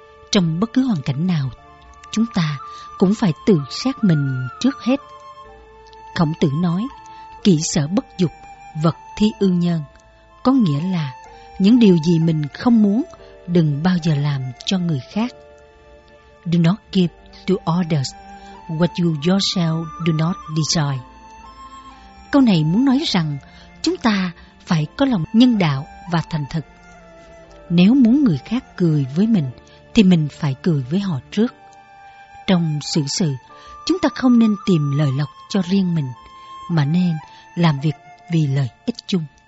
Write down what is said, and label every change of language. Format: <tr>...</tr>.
<vi>Trong bất cứ hoàn cảnh nào, chúng ta cũng phải tự xét mình trước hết. Khổng Tử nói, kỹ sở bất dục, vật thi ư nhân. Có nghĩa là những điều gì mình không muốn, đừng bao giờ làm cho người khác.</vi> <en>Do not give to others what you yourself do not desire.</en> <vi>Câu này muốn nói rằng chúng ta phải có lòng nhân đạo và thành thực. Nếu muốn người khác cười với mình thì mình phải cười với họ trước. Trong xử sự, chúng ta không nên tìm lợi lộc cho riêng mình mà nên làm việc vì lợi ích chung.</vi>